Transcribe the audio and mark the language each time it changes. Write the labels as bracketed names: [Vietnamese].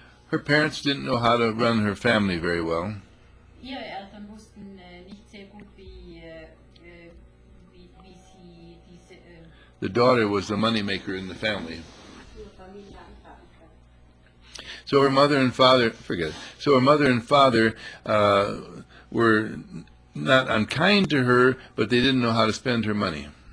[English] Her parents didn't know how to run her family very well. [German] Ihre Eltern wussten nicht sehr gut, wie sie diese [English] The daughter was the moneymaker in the family. So her mother and father, forget it. So her mother and father were not unkind to her, but they didn't know how to spend her money.